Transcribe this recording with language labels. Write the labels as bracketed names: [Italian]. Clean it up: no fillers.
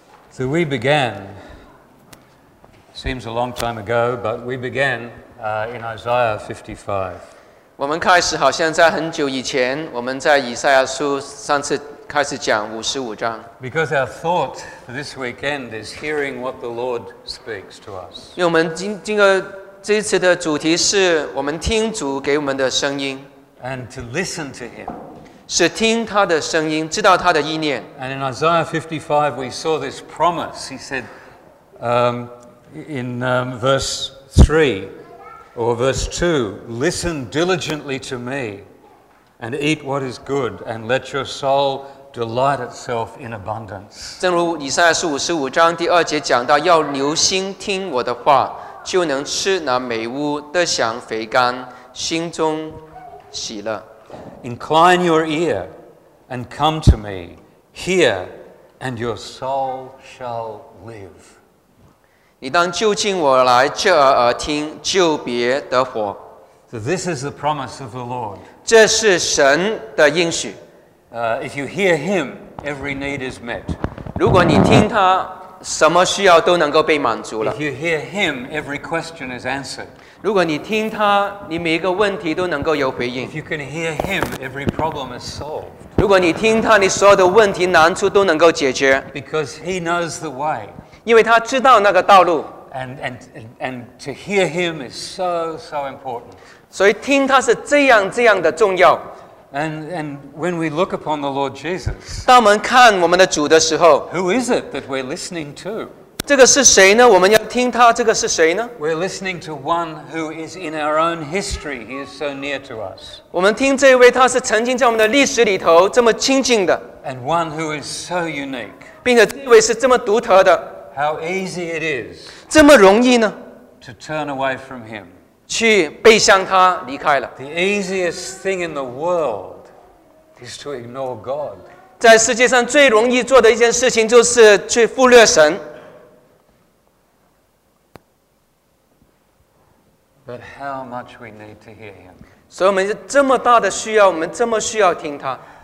[English] So we began, seems a long time ago, but we began in Isaiah 55. [Chinese] 我们开始好像在很久以前，我们在以赛亚书上次开始讲55章。 [English] Because our thought for this weekend is hearing what the Lord speaks to us. [Chinese] 因为我们这次的主题是我们听主给我们的声音。 [English] And to listen to him. [Chinese] 是听他的声音，知道他的意念。 [English] And in Isaiah 55, we saw this promise. He said, verse 2, "Listen diligently to me, and eat what is good, and let your soul delight itself in abundance." [Chinese] 正如以赛亚书55章第二节讲到，要留心听我的话，就能吃那美物，得享肥甘，心中喜乐。 [English] Incline your ear and come to me. Hear, and your soul shall live. [Chinese] 你当就近我来，侧耳听，就别得活。 [English] So this is the promise of the Lord. [Chinese] 这是神的应许。 [English] If you hear Him, every need is met. [Chinese] 如果你听他，什么需要都能够被满足了。 [English] If you hear Him, every question is answered. [Chinese] 如果你听他，你每一个问题都能够有回应。 [English] If you can hear him, every problem is solved. [Chinese] 如果你听他，你所有的问题难处都能够解决。 [English] Because he knows the way. [Chinese] 因为他知道那个道路。 [English] And to hear him is so important. [Chinese] 所以听他是这样的重要。 [English] And when we look upon the Lord Jesus, [Chinese] 当我们看我们的主的时候， [English] who is it that we're listening to? [Chinese] 这个是谁呢？我们要听他。这个是谁呢？ [English] We're listening to one who is in our own history. He is so near to us. [Chinese] 我们听这一位，他是曾经在我们的历史里头这么亲近的。 [English] And one who is so unique. [Chinese] 并且这位是这么独特的。 [English] How easy it is. [Chinese] 这么容易呢？ [English] To turn away from him. [Chinese] 去背向他离开了。 [English] The easiest thing in the world is to ignore God. [Chinese] 在世界上最容易做的一件事情就是去忽略神。 [English] But how much we need to hear him. [Chinese] 所以我们这么大的需要，我们这么需要听他。